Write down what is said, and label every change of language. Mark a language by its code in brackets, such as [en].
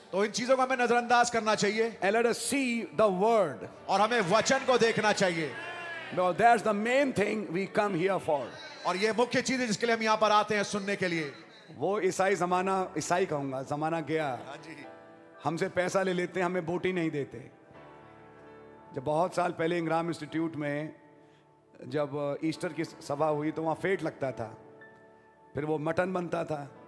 [hi] तो इन चीजों को हमें नजरअंदाज करना चाहिए. [en] And let us see the word. [hi] और हमें वचन को देखना चाहिए. [en] Because that's the main thing we come here for. [hi] और ये मुख्य चीज है जिसके लिए हम यहाँ पर आते हैं सुनने के लिए. वो ईसाई जमाना, ईसाई कहूंगा, जमाना गया. हमसे पैसा ले लेते हैं, हमें बोटी नहीं देते. जब बहुत साल पहले इंग्राम इंस्टीट्यूट में जब ईस्टर की सभा हुई तो वहाँ फेट लगता था, फिर वो मटन बनता था.